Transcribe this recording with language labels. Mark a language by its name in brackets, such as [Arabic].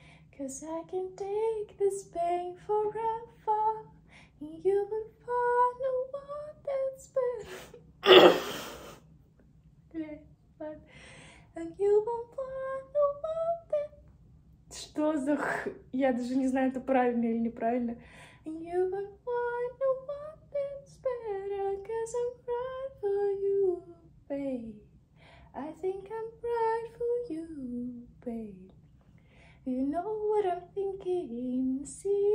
[English] 'Cause I can take this pain forever. And you will find a one that's better. Yeah, but and you won't find a one that... [Russian] Что за х... Я даже не знаю, это правильно или неправильно. [English] And you will find a one that's better, 'cause I'm right for you, babe. I think I'm right for you, babe. You know what I'm thinking, see?